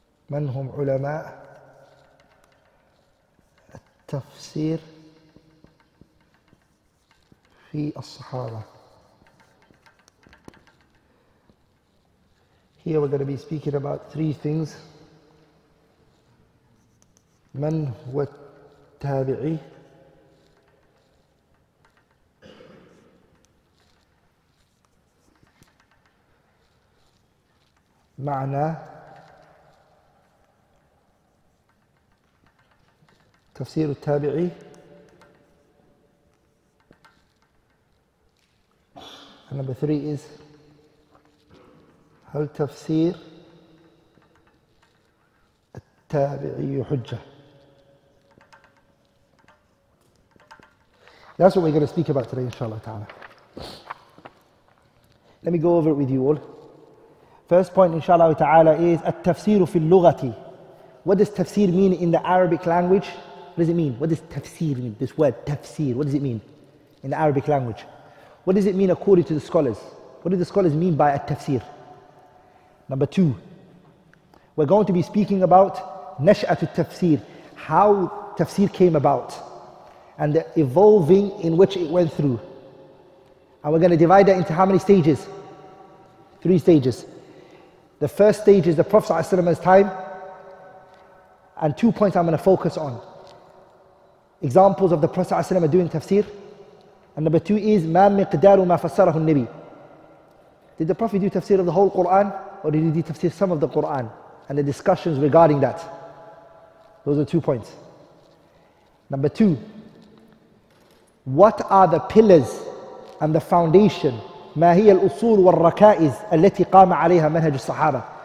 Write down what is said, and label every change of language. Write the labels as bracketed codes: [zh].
[ar] من هم علماء التفسير في الصحابة. [en] Here we're going to be speaking about three things. [ar] من هو التابعي. معنى تفسير التابعي. [en] Number three is [ar] هل تفسير التابعي حجة. [en] That's what we're going to speak about today, inshallah ta'ala. Let me go over it with you all. First point, inshallah ta'ala, is [ar] التفسير في اللغة. [en] What does tafsir mean in the Arabic language? What does it mean? What does tafsir mean? This word, tafsir, what does it mean in the Arabic language? What does it mean according to the scholars? What do the scholars mean by التفسير? Number two, We're going to be speaking about Nash'at al-Tafsir, how Tafsir came about and the evolving in which it went through. And we're going to divide that into how many stages? 3 stages. The first stage is the Prophet's time, and 2 points I'm going to focus on. Examples of the Prophet doing Tafsir. And number 2 is [ar] مَا مِقْدَارُ مَا فَسَّرَهُ النَّبِيِّ. [en] Did the Prophet do Tafsir of the whole Qur'an, or did he do Tafsir some of the Qur'an? And the discussions regarding that. Those are 2 points. Number 2, what are the pillars and the foundation? [ar] مَا هِيَ الْأُصُولُ وَالرَّكَائِزُ أَلَّتِي قَامَ عَلَيْهَا مَنْهَجُ الصَّحَابَةِ.